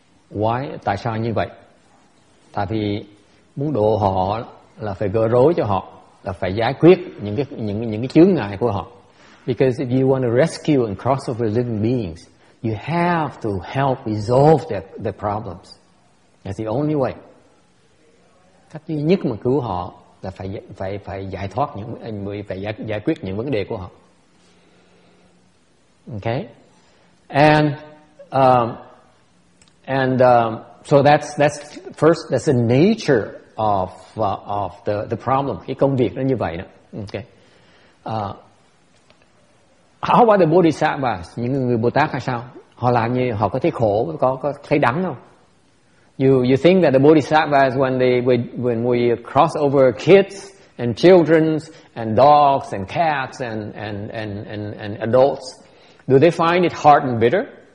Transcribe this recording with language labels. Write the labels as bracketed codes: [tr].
[en] Why [vi] tại sao như vậy? Tại vì muốn độ họ là phải gỡ rối cho họ, là phải giải quyết những cái chướng ngại của họ. [en] Because if you want to rescue and cross over living beings, you have to help resolve their problems. That's the only way. [vi] Cách duy nhất mà cứu họ là phải giải thoát những phải giải quyết những vấn đề của họ. [en] Okay, so that's first, that's the nature of the problem. [vi] Cái công việc nó như vậy đó. Okay. [en] How about the Bodhisattvas, [vi] những người Bồ Tát hay sao? Họ làm như họ có thấy khổ, có thấy đắng không? [en] You think that the Bodhisattvas when we cross over kids and children and dogs and cats and adults, do they find it hard and bitter?